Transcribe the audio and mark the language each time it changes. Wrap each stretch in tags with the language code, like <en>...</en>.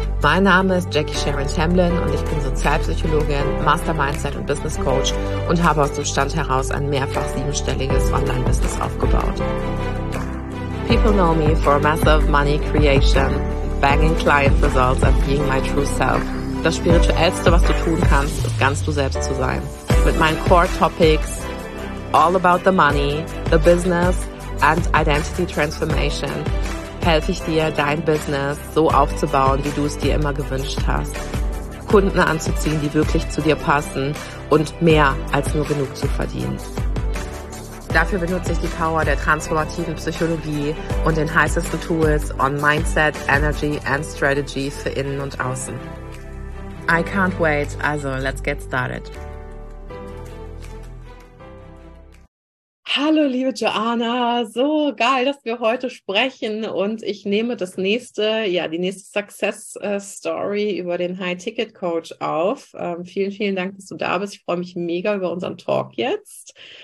<de>Mein Name ist Jackie Sharon Tamblyn und ich bin Sozialpsychologin, Master Mindset und Business Coach und habe aus dem Stand heraus ein mehrfach siebenstelliges Online-Business aufgebaut.</de> <en>People know me for massive money creation, banging client results and being my true self.</en> <de>Das Spirituellste, was du tun kannst, ist ganz du selbst zu sein. Mit meinen Core Topics,</de> <en>all about the money, the business and identity transformation,</en> <de>helfe ich dir, dein Business so aufzubauen, wie du es dir immer gewünscht hast. Kunden anzuziehen, die wirklich zu dir passen und mehr als nur genug zu verdienen. Dafür benutze ich die Power der transformativen Psychologie und den heißesten Tools</de> <en>on Mindset, Energy and Strategy</en> <de>für innen und außen.</de> <en>I can't wait, also let's get started.</en> <de>Hallo liebe Joanna, so geil, dass wir heute sprechen und ich nehme das nächste, ja, die nächste Success-Story über den High-Ticket-Coach auf. Vielen, vielen Dank, dass du da bist. Ich freue mich mega über unseren Talk jetzt.</de>